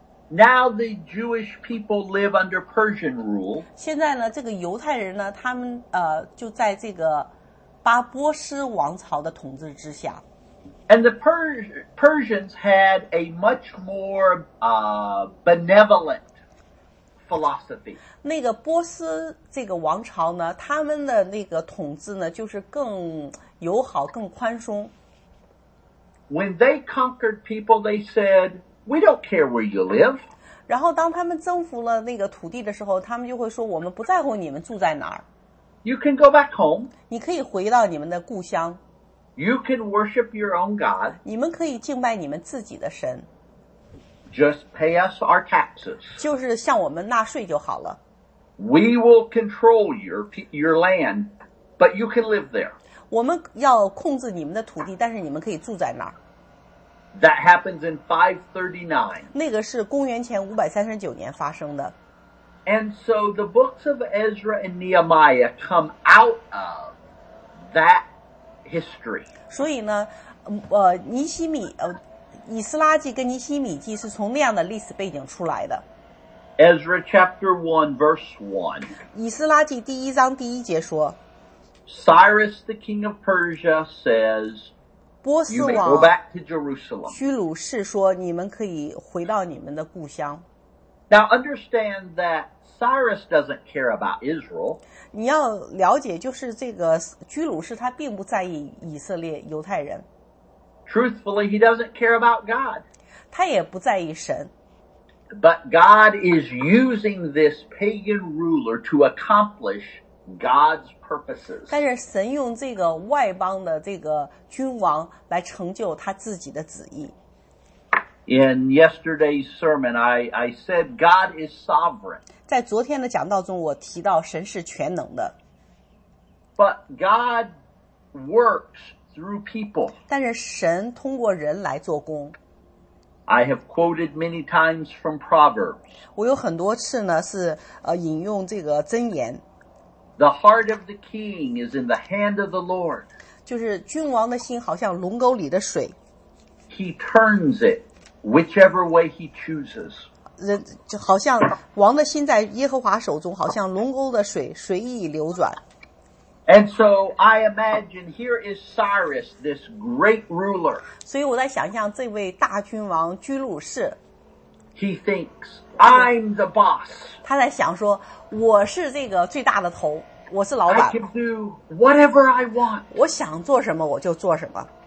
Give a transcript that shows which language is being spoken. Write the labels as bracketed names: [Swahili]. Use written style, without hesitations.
[English] Now the Jewish people live under Persian rule. [Chinese] 现在呢，这个犹太人呢，他们就在这个波斯王朝的统治之下。 [English] And the Persians had a much more benevolent philosophy. [Chinese] 那个波斯这个王朝呢，他们的那个统治呢，就是更友好、更宽松。 [English] When they conquered people, they said, "We don't care where you live." [Chinese] 然后当他们征服了那个土地的时候，他们就会说，我们不在乎你们住在哪儿。 [English] You can go back home. [Chinese] 你可以回到你们的故乡。 [English] You can worship your own God. [Chinese] 你们可以敬拜你们自己的神。 [English] Just pay us our taxes. [Chinese] 就是向我们纳税就好了。 [English] We will control your land, but you can live there. [Chinese] 我们要控制你们的土地，但是你们可以住在那儿。 [English] That happens in 539. [Chinese] 那个是公元前539年发生的。 [English] And so the books of Ezra and Nehemiah come out of that history. [Chinese] 所以呢，尼希米，以斯拉记跟尼希米记是从那样的历史背景出来的。 [English] Ezra chapter 1 verse 1. [Chinese] 以斯拉记第一章第一节说， [English] Cyrus the king of Persia says, [Chinese] 波斯王 [English] you may go back to Jerusalem. [Chinese] 居鲁士说，你们可以回到你们的故乡。 [English] Now understand that Cyrus doesn't care about Israel. [Chinese] 你要了解，就是这个居鲁士他并不在意以色列犹太人。 [English] Truthfully, he doesn't care about God. [Chinese] 他也不在意神。 [English] But God is using this pagan ruler to accomplish God's purposes. [Chinese] 但是神用这个外邦的这个君王来成就他自己的旨意。 [English] In yesterday's sermon, I said God is sovereign. [Chinese] 在昨天的讲道中，我提到神是全能的。 [English] But God works through people. [Chinese] 但是神通过人来做工。 [English] I have quoted many times from Proverbs. [Chinese] 我有很多次呢是引用这个箴言。 [English] The heart of the king is in the hand of the Lord. [Chinese] 就是君王的心好像龙沟里的水。 [English] He turns it. Whichever way he chooses. [Chinese] 就好像王的心在耶和华手中，好像龙沟的水随意流转。 [English] And so I imagine here is Cyrus, this great ruler. [Chinese] 所以我在想象这位大君王居鲁士。 [English] He thinks, I'm the boss. [Chinese] 他在想说，我是这个最大的头，我是老板。 [English] I can do whatever I want. [Chinese] 我想做什么我就做什么。